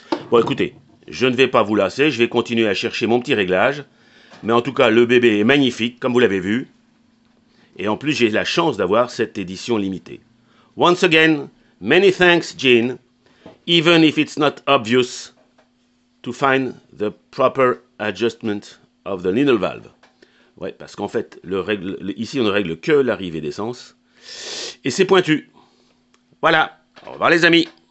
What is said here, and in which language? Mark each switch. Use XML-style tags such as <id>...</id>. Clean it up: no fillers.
<fr>Bon, écoutez, je ne vais pas vous lasser, je vais continuer à chercher mon petit réglage. Mais en tout cas, le bébé est magnifique, comme vous l'avez vu. Et en plus, j'ai la chance d'avoir cette édition limitée.</fr> <en>Once again, many thanks, Jean, even if it's not obvious to find the proper adjustment of the needle valve.</en> <fr>Ouais, parce qu'en fait, ici, on ne règle que l'arrivée d'essence. Et c'est pointu. Voilà, au revoir les amis.</fr>